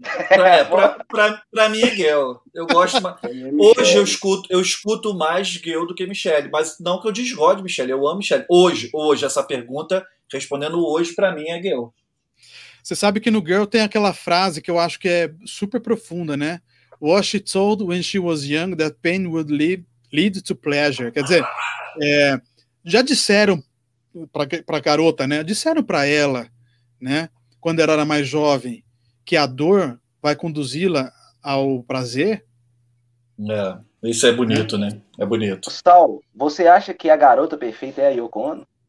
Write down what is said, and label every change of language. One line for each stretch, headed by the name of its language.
Portuguese: É, pra mim é Gil. Eu gosto mais. Hoje eu escuto mais Gil do que Michelle. Mas não que eu desgoste Michelle. Eu amo Michelle. Hoje, essa pergunta, respondendo hoje, pra mim é Gil. Você sabe que no Girl tem aquela frase que eu acho que é super profunda, né?
English: What she told when she was young that pain would lead to pleasure.
Portuguese: Quer dizer, já disseram para a garota, né? Disseram para ela, né? Quando ela era mais jovem, que a dor vai conduzi-la ao prazer, É, isso é né? bonito, né? É bonito. Saul, você acha que a garota perfeita é a Yoko Ono?